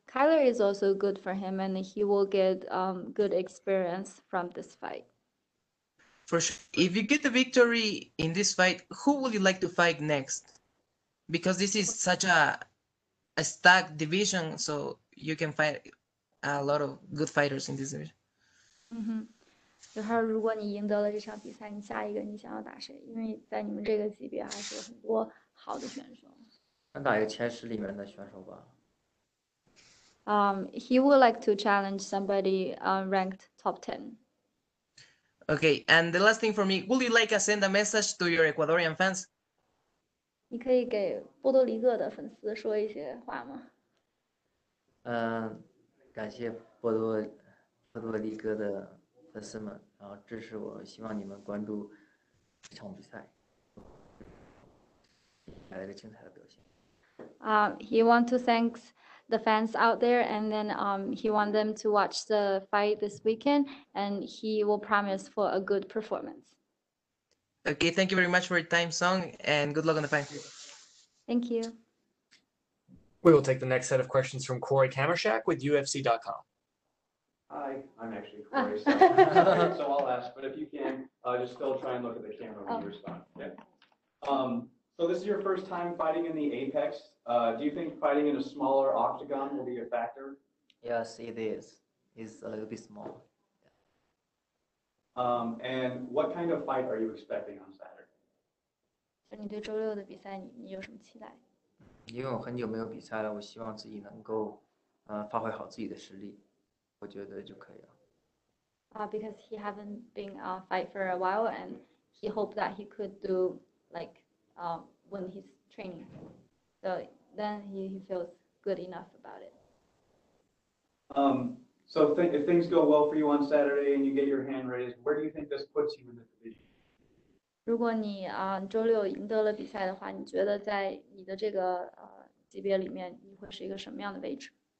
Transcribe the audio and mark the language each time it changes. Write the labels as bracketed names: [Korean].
[English] Kyler is also good for him, and he will get good experience from this fight. For sure. If you get the victory in this fight, who would you like to fight next? Because this is such a stacked division, so you can fight a lot of good fighters in this division. [Chinese] 然后，如果你赢得了这场比赛，你下一个你想要打谁？因为在你们这个级别，还是有很多好的选手。想打一个前十里面的选手吧。 [English] He would like to challenge somebody ranked top 10. Okay, and the last thing for me, would you like to send a message to your Ecuadorian fans? [Chinese] 你可以给波多黎各的粉丝说一些话吗？感谢波多黎各的粉丝们，然后支持我，希望你们关注这场比赛，来了个精彩的表现。 [English] He want to thank the fans out there, and then he want them to watch the fight this weekend, and he will promise for a good performance. Okay, thank you very much for your time, Song, and good luck on the fight. Thank you. We will take the next set of questions from Corey Kamerschak with UFC.com. Hi, I'm actually Corey, so Oh. I'll ask, but if you can, just still try and look at the camera when you Oh. respond. Yeah. So this is your first time fighting in the Apex. Do you think fighting in a smaller octagon will be a factor? Yes, it is. It's a little bit small. And what kind of fight are you expecting on Saturday? [Chinese] 你对周六的比赛你有什么期待？因为我很久没有比赛了，我希望自己能够，发挥好自己的实力，我觉得就可以了。 [English] Because he haven't been a fight for a while, and he hoped that he could do like when he's training, so then he feels good enough about it. So if things go well for you on Saturday and you get your hand raised, where do you think this puts you in the division? [Chinese] 如果你周六赢得了比赛的话，你觉得在你的这个级别里面，你会是一个什么样的位置？